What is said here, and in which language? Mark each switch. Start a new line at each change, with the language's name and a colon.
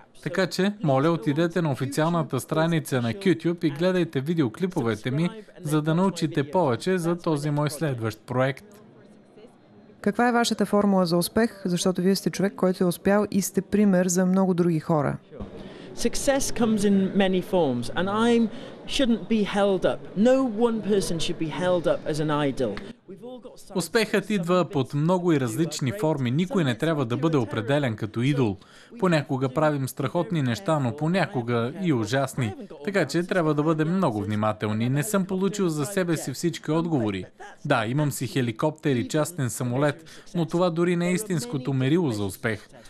Bulgarian: Така че, моля, отидете на официалната страница на QTube и гледайте видеоклиповете ми, за да научите повече за този мой следващ проект. Каква е вашата формула за успех, защото вие сте човек, който е успял и сте пример за много други хора?
English: Success comes in many forms, and I shouldn't be held up. No one person should be held up as an idol.
Bulgarian: Успехът идва под много и различни форми. Никой не трябва да бъде определен като идол. Понякога правим страхотни неща, но понякога и ужасни. Така че трябва да бъдем много внимателни. Не съм получил за себе си всички отговори. Да, имам си хеликоптер и частен самолет, но това дори не е истинското мерило за успех.